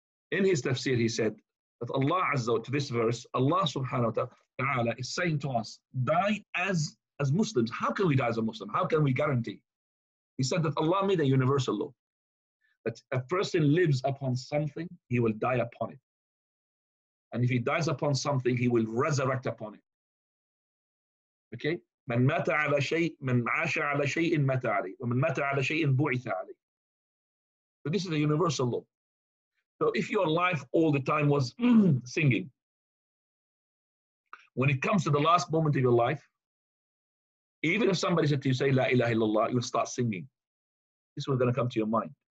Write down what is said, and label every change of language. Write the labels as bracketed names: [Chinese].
[English] In his tafsir, he said that Allah Azza wa Jalla, to this verse, Allah subhanahu wa ta'ala is saying to us, die as Muslims. How can we die as a Muslim? How can we guarantee? He said that Allah made a universal law, that a person lives upon something, he will die upon it. And if he dies upon something, he will resurrect upon it. Okay? [Arabic] من مات على شيء من عاش على شيء مات عليه ومن مات على شيء بعث عليه. [English] So this is a universal law. So if your life all the time was singing, when it comes to the last moment of your life, even if somebody said to you, say La ilaha illallah, you'll start singing. This was going to come to your mind.